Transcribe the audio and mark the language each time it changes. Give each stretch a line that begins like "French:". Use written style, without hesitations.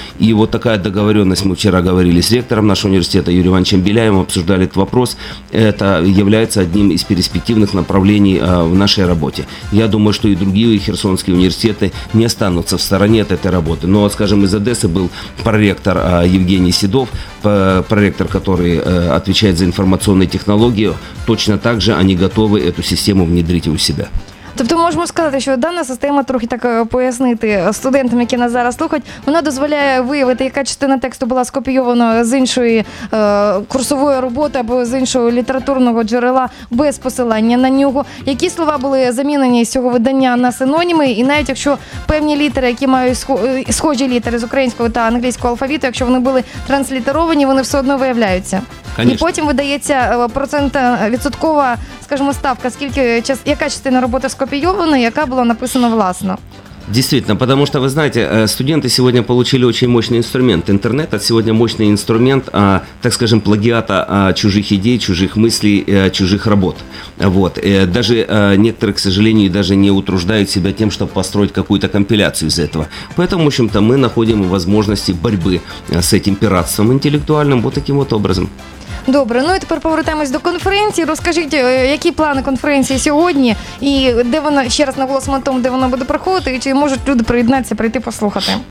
Russian: И вот такая договоренность, мы вчера говорили с ректором нашего университета Юрием Ивановичем Беляевым, обсуждали этот вопрос, это является одним из перспективных направлений в нашей работе. Я думаю, что и другие херсонские университеты не останутся в стороне от этой работы. Но, скажем, из Одессы был проректор Евгений Седов, проректор, который отвечает за информационные технологии, точно так же они готовы эту систему внедрити у себя.
Ukrainian: Тобто можемо сказати, що дана система, трохи так пояснити студентам, які нас зараз слухають, вона дозволяє виявити, яка частина тексту була скопійована з іншої курсової роботи або з іншого літературного джерела без посилання на нього, які слова були замінені з цього видання на синоніми, і навіть якщо певні літери, які мають схожі літери з українського та англійського алфавіту, якщо вони були транслітеровані, вони все одно виявляються.
Russian: Конечно.
Ukrainian: І потім видається відсоткова, скажімо, ставка, скільки яка частина роботи скопійована, яка була написана власно.
Russian: Действительно, потому что, вы знаете, студенты сегодня получили очень мощный инструмент. Интернет – это сегодня мощный инструмент, так скажем, плагиата чужих идей, чужих мыслей, чужих работ. Вот. Даже некоторые, к сожалению, даже не утруждают себя тем, чтобы построить какую-то компиляцию из этого. Поэтому, в общем-то, мы находим возможности борьбы с этим пиратством интеллектуальным вот таким вот образом.
Ukrainian: Добре, ну і тепер повертаємось до конференції. Розкажіть, які плани конференції сьогодні і де вона, ще раз наголосимо на тому, де вона буде проходити, і чи можуть люди приєднатися, прийти послухати.